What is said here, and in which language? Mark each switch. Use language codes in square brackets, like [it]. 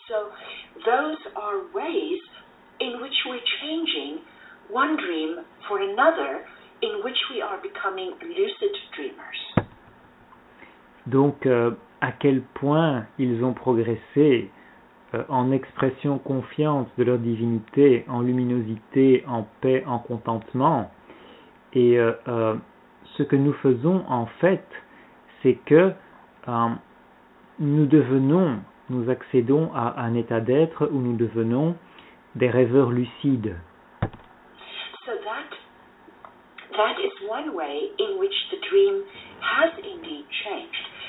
[en] So, those are ways in which we're changing one dream for another, in which we are becoming lucid dreamers. [fr] Donc, à quel point ils ont progressé en expression confiante de leur divinité, en luminosité, en paix, en contentement. Et ce que nous faisons en fait, c'est que nous accédons à un état d'être où nous devenons des rêveurs lucides. [en] So that is one way in which the dream has indeed changed.